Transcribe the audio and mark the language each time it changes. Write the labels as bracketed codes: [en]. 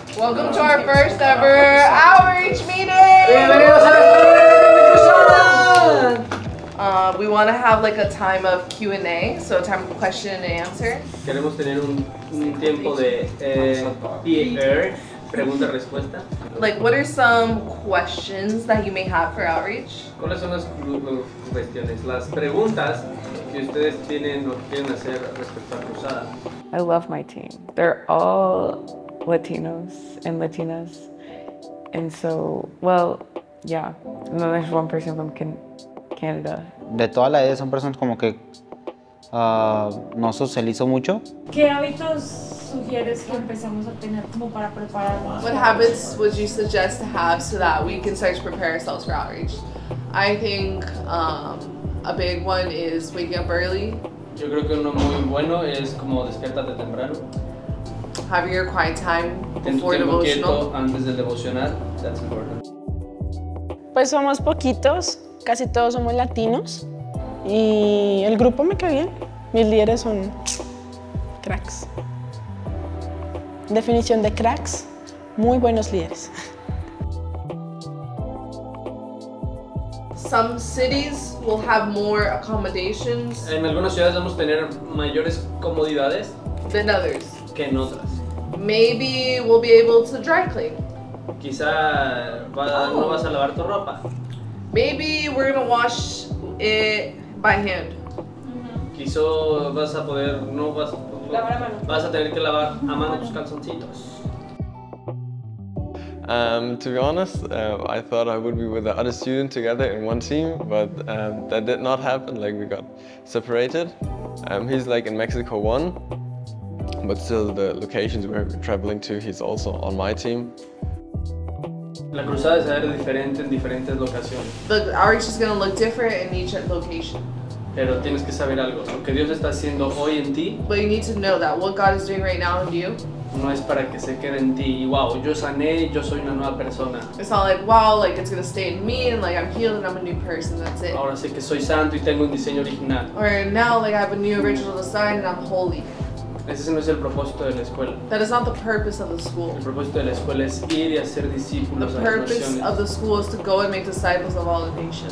[en] Welcome to our first ever outreach meeting. We want to have like a time of Q&A, so a time of question and answer. [es] Queremos tener un tiempo de PR. [en] Like, what are some questions that you may have for outreach? [es] ¿Cuáles son las cuestiones, las preguntas que ustedes tienen o quieren hacer respecto a Cruzada? [en] I love my team. They're all Latinos and Latinas. And so, well, yeah. And then there's one person from Canada. [es] De toda la edad son personas como que no socializo mucho. ¿Qué hábitos sugieres que empecemos a tener como para prepararnos? [en] What habits would you suggest to have so that we can start to prepare ourselves for outreach? I think a big one is waking up early. [es] Yo creo que uno muy bueno es como despiértate temprano. [en] Have your quiet time before [es] devotional. Ten tu tiempo quieto antes del devocional. [en] That's important. [es] Pues somos poquitos, casi todos somos latinos. Y el grupo me cae bien. Mis líderes son cracks. Definición de cracks, muy buenos líderes. [en] Some cities will have more accommodations. [es] En algunas ciudades vamos a tener mayores comodidades [en] than others. [es] Que en otras. [en] Maybe we'll be able to dry clean. [es] Quizá no vas a lavar tu ropa. [en] Maybe we're gonna wash it by hand. [es] Quizá vas a poder, no vas a poder, lavar a mano. Vas a tener que lavar a mano tus calzoncitos. [en] To be honest, I thought I would be with the other student together in one team, but that did not happen. Like, we got separated. He's like in Mexico 1, but still the locations we're traveling to, he's also on my team. [es] La cruzada se va a ver diferente en diferentes locaciones. [en] The outreach is going to look different in each location. [es] Pero tienes que saber algo. Lo que Dios está haciendo hoy en ti. [en] But you need to know that what God is doing right now in you. [es] No es para que se quede en ti. Wow, yo sané, yo soy una nueva persona. [en] It's not like, wow, like it's gonna stay in me and like I'm healed and I'm a new person, that's it. [es] Ahora sé que soy santo y tengo un diseño original. [en] Or now like I have a new original design and I'm holy. [es] Ese no es el propósito de la escuela. [en] That is not the purpose of the school. [es] El propósito de la escuela es ir y hacer discípulos a las naciones. [en] The purpose of the school is to go and make disciples of all the nations.